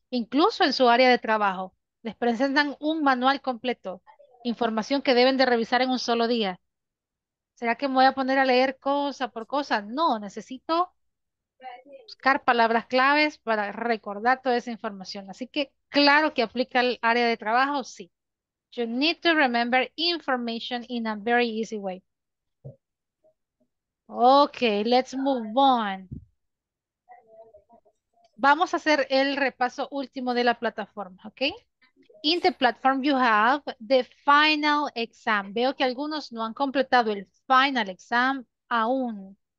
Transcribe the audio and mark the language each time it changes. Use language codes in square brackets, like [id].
[es] Incluso en su área de trabajo, les presentan un manual completo, información que deben de revisar en un solo día. ¿Será que me voy a poner a leer cosa por cosa? No, necesito buscar palabras claves para recordar toda esa información. Así que, claro que aplica al área de trabajo, sí. [en] You need to remember information in a very easy way. Okay, let's move on. [es] Vamos a hacer el repaso último de la plataforma, okay? [en] In the platform you have the final exam. [es] Veo que algunos no han completado el final exam aún.